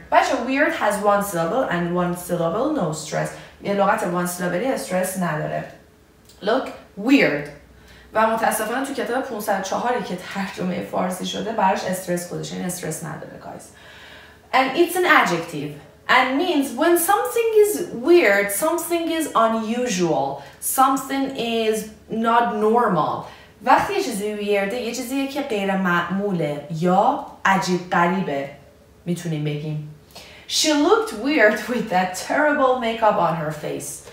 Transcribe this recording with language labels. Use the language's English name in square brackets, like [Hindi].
[English] بچه weird has one syllable and one syllable no stress. [Persian] یه لغت one syllable استرس نداره. [English] Look, weird. [Persian] و متاسفانه تو کتاب 504 که ترجمه فارسی شده براش استرس گذاشته، این استرس نداره guys. [English] And it's an adjective. And means when something is weird, something is unusual, something is not normal. [Persian] وقتی یه چیزی weirde، یه چیزیه که غیر معموله یا عجیب غریبه، میتونیم بگیم. [English] She looked weird with that terrible makeup on her face.